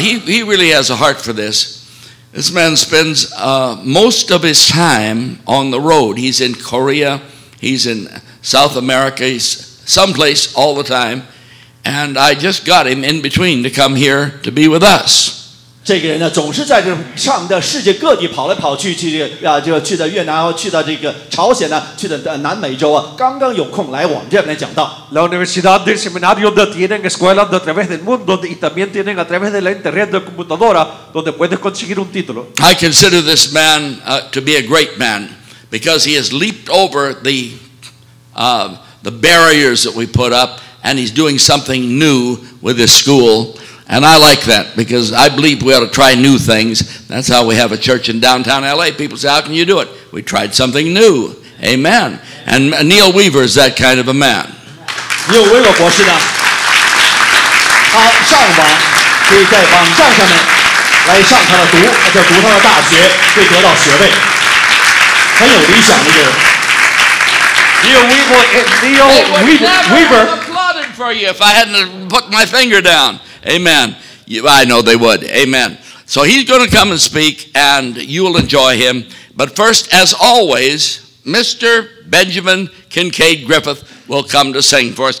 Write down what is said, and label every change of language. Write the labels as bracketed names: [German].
[English] He really has a heart for this. This man spends most of his time on the road. He's in Korea. He's in South America. He's someplace all the time. And I just got him in between to come here to be with us. [Chinese] 这个人呢，总是在这上的世界各地跑来跑去，去这个啊，就去到越南，去到这个朝鲜呢，去的南美洲啊，刚刚有空来我们这边来讲道。 [Spanish] La Universidad del Seminario tiene escuelas a través del mundo y también tiene a través de la internet de computadora donde puedes conseguir un título. [English] I consider this man to be a great man because he has leaped over the barriers that we put up and he's doing something new with his school. And I like that because I believe we ought to try new things. That's how we have a church in downtown LA. People say, how can you do it? We tried something new. Amen. And Neil Weaver is that kind of a man. [Chinese] Neil Weaver 博士呢？好，上网可以在网站上面来上他的读，就读他的大学，可以得到学位。很有理想的一个人。 [English] Neil Weaver. They would never have applauded for you if I hadn't put my finger down. Amen. I know they would. Amen. So he's going to come and speak, and you'll enjoy him. But first, as always, Mr. Benjamin Kincaid Griffith will come to sing for us.